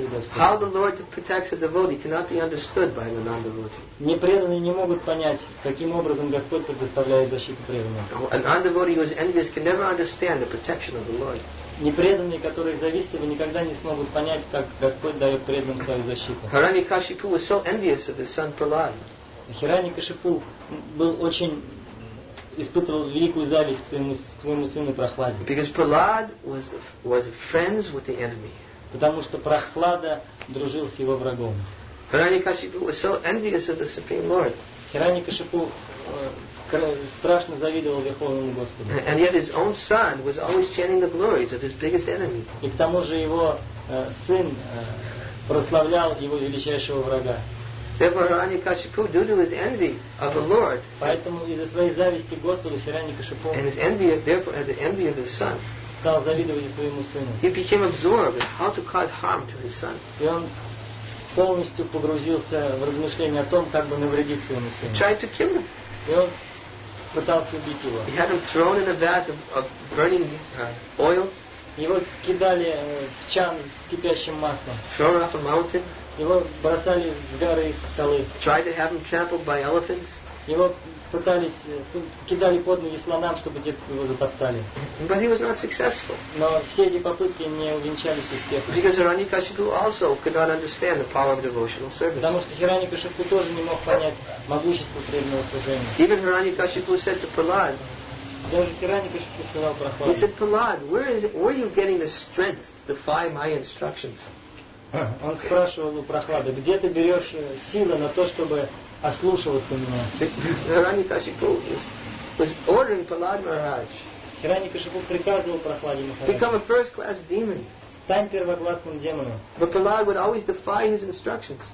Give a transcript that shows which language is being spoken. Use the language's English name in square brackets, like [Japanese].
[English] How the Lord protects a devotee cannot be understood by the non-devotee. [Russian] Непреданные не могут понять, каким образом Господь предоставляет защиту преданным. [English] A non-devotee who is envious can never understand the protection of the Lord. [Russian] Непреданные, которые завистливы, никогда не смогут понять, как Господь дает преданным свою защиту. [English] Hirani Kashipu was so envious of his son Prahlad. [Russian] Hirani Kashipu был очень испытывал великую зависть к своему сыну Прахладе. [English] Because Prahlad was friends with the enemy. [Russian] Потому что Прахлада дружил с его врагом. [English] Hirani Kashipu was so envious of the Supreme Lord. [Russian] Hirani Kashipu страшно завидовал Верховному Господу. [English] And yet his own son was always chanting the glories of his biggest enemy. [Russian] И к тому же его сын прославлял его величайшего врага. [English] Therefore, Hirani Kashipu, due to his envy of the Lord, [Russian] поэтому из-за своей зависти Господу Hirani Kashipu [English] and his envy, therefore, the envy of his son. [Russian] Стал завидовать своему сыну. [English] He became absorbed in how to cause harm to his son. [Russian] И он полностью погрузился в размышления о том, как бы навредить своему сыну. [English] He tried to kill him. [Russian] И он пытался убить его. [English] He had him thrown in a vat of burning oil. [Russian] Его кидали в чан с кипящим маслом. [English] Thrown off a mountain. [Russian] Его бросали с горы и с скалы. [English] Tried to have him trampled by elephants. [Russian] Его пытались, кидали под ноги слонам, чтобы те его затоптали. [English] But he was not successful. [Russian] Но все эти попытки не увенчались успехом. [English] Because Hirani Kashipu also could not understand the power of devotional service. [Russian] Потому что Hirani Kashipu тоже не мог понять могущество преданного служения. [English] Even Hirani Kashipu said to Prahlad. [Russian] Даже Hirani Kashipu сказал Прахладе. [English] He said, Prahlad, where are you getting the strength to defy my instructions? [Russian] Он спрашивал у Прахлады, где ты берешь силы на то, чтобы ослушиваться меня. [English] Hirani Kashipu was ordering Prahlad Maharaj. [Russian] Хирани Кашипу приказывал Прахладе Махараджу. [English] Become a first-class demon. [Russian] Стань первоклассным демоном. [English] But Prahlad would always defy his instructions.